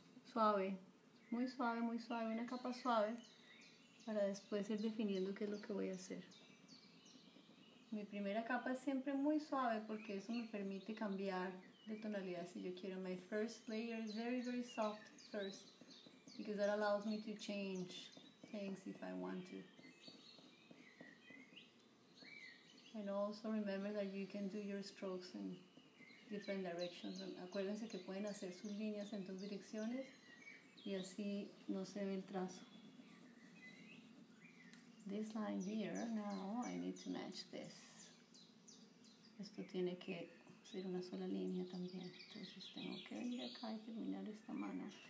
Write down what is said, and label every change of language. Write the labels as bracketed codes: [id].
[es] Suave, muy suave, muy suave, una capa suave para después ir definiendo qué es lo que voy a hacer. Mi primera capa es siempre muy suave porque eso me permite cambiar de tonalidad si yo quiero. [en] My first layer is very, very soft first because that allows me to change things if I want to. And also remember that you can do your strokes in different directions. [es] Acuérdense que pueden hacer sus líneas en dos direcciones y así no se ve el trazo. [en] This line here, now I need to match this. [es] Esto tiene que ser una sola línea también. Entonces tengo que venir acá y terminar esta mano.